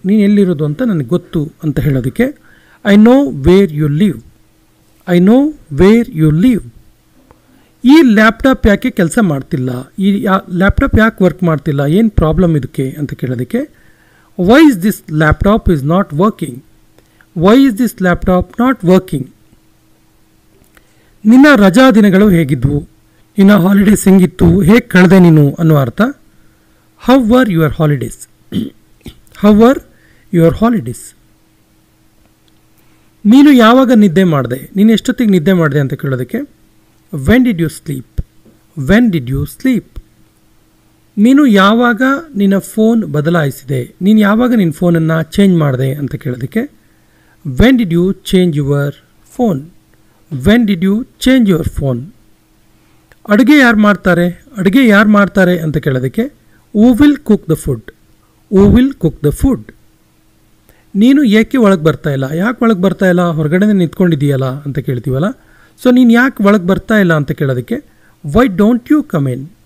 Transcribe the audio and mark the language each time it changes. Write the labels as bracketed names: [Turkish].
[Kannada] ನೀನು ಎಲ್ಲಿರೋದು ಅಂತ ನನಗೆ ಗೊತ್ತು ಅಂತ ಹೇಳೋದಕ್ಕೆ [English] I know where you live. I know where you live. [Kannada] ಈ ಲ್ಯಾಪ್ಟಾಪ್ ಯಾಕೆ ಕೆಲಸ ಮಾಡ್ತಿಲ್ಲ? ಈ ಲ್ಯಾಪ್ಟಾಪ್ ಯಾಕೆ ವರ್ಕ್ ಮಾಡ್ತಿಲ್ಲ? ಏನು ಪ್ರಾಬ್ಲಮ್ ಇದಕ್ಕೆ ಅಂತ ಕೇಳೋದಕ್ಕೆ [English] Why is this laptop is not working. Why is this laptop not working? [Kannada] ನಿನ್ನ ರಜಾ ದಿನಗಳು ಹೇಗಿದ್ವು? ನಿನ್ನ ಹಾಲಿಡೇಸ್ ಹೆಂಗಿತ್ತು? ಹೇಗೆ ಕಳೆದೆ ನೀನು ಅನ್ನುವ ಅರ್ಥ. [English] How are your holidays? How are your holidays? [Kannada] ನೀನು ಯಾವಾಗ ನಿದ್ದೆ ಮಾಡಿದೆ? ನೀನು ಎಷ್ಟೊತ್ತಿಗೆ ನಿದ್ದೆ ಮಾಡಿದೆ ಅಂತ ಕೇಳೋದಕ್ಕೆ [English] When did you sleep? When did you sleep? [Kannada] ನೀನು ಯಾವಾಗ ನಿನ್ನ ಫೋನ್ ಬದಲಾಯಿಸಿದೆ? ನೀನು ಯಾವಾಗ ನಿನ್ನ ಫೋನನ್ನು ಚೇಂಜ್ ಮಾಡಿದೆ ಅಂತ ಕೇಳೋದಕ್ಕೆ [English] When did you change your phone? When did you change your phone? [Kannada] ಅಡುಗೆ ಯಾರು ಮಾಡ್ತಾರೆ? ಅಡುಗೆ ಯಾರು ಮಾಡ್ತಾರೆ ಅಂತ ಕೇಳೋದಕ್ಕೆ [English] Who will cook the food? Who will cook the food? [Kannada] ನೀನು ಏಕೆ ಒಳಗೆ ಬರ್ತಾ ಇಲ್ಲ? ಯಾಕೆ ಒಳಗೆ ಬರ್ತಾ ಇಲ್ಲ? ಹೊರಗಡೆ ನಿಂತ್ಕೊಂಡಿದ್ದೀಯಲ್ಲ ಅಂತ ಕೇಳ್ತೀವಲ್ಲ. ಸೊ ನೀನು ಯಾಕೆ ಒಳಗೆ ಬರ್ತಾ ಇಲ್ಲ ಅಂತ ಕೇಳೋದಕ್ಕೆ [English] Why don't you come in?